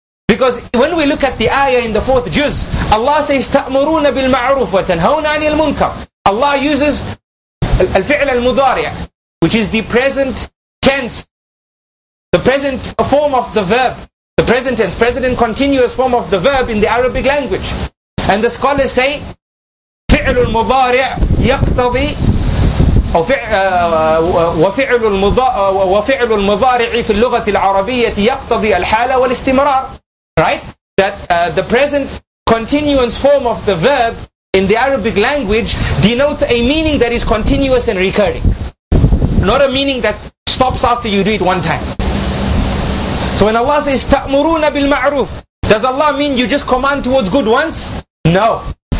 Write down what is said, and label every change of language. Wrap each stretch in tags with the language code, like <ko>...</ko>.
<en>Because when we look at the ayah in the fourth juz, Allah says,</en> <ar>تَأْمُرُونَ بِالْمَعْرُوفِ وَتَنْهَوْنَ عَنِ الْمُنْكَرِ.</ar> <en>Allah uses</en> <ar>الْفِعْلَ الْمُضَارِعَ,</ar> <en>which is the present tense, the present form of the verb, the present tense, present and continuous form of the verb in the Arabic language. And the scholars say,</en> <ar>فِعْلُ الْمُضَارِعَ يَقْتَضِي وَفِعْلُ الْمُضَارِعِ فِي اللُّغَةِ الْعَرَبِيَّةِ يَقْتَضِي الْحَالَ وَالْاِسْتِمْرَارِ.</ar> <en>Right? That the present continuous form of the verb in the Arabic language denotes a meaning that is continuous and recurring. Not a meaning that stops after you do it one time. So when Allah says,</en> <ar>تَأْمُرُونَ بِالْمَعْرُوفِ,</ar> <en>does Allah mean you just command towards good once? No.</en>